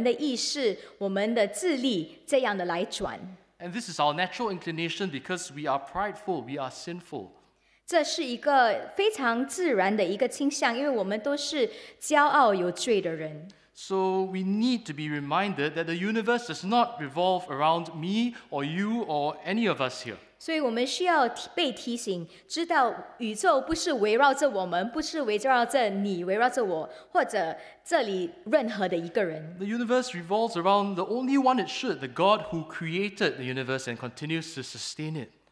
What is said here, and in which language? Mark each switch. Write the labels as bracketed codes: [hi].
[zh] 然后我们就期望我们的伴侣围绕着我们，我们的意识，我们的智力这样的来转。 [en] And this is our natural inclination because we are prideful, we are sinful. [zh] 这是一个非常自然的一个倾向，因为我们都是骄傲有罪的人。 [en] So we need to be reminded that the universe does not revolve around me or you or any of us here. [zh] 所以我们需要被提醒，知道宇宙不是围绕着我们，不是围绕着你，围绕着我，或者这里任何的一个人。 [en] The universe revolves around the only one it should, the God who created the universe and continues to sustain it.